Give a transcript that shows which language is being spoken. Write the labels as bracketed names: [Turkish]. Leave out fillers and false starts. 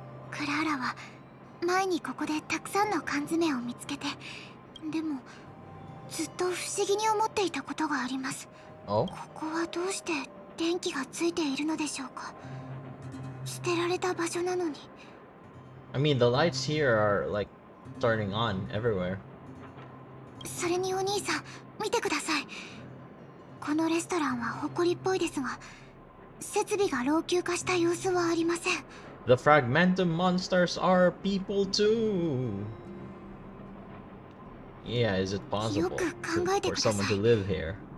[Japanese] クラーラは前にここでたくさんの缶詰を見つけて、でもずっと不思議に思っていたことがあります。 [English] Oh? [Japanese] ここはどうして電気がついているのでしょうか。捨てられた場所なのに。 [English] I mean, the lights here are like turning on everywhere. [Japanese] それにお兄さん、見てください。このレストランは埃っぽいですが、設備が老朽化した様子はありません。 [English] The Fragmentum monsters are people too. Yeah, is it possible for someone to live here?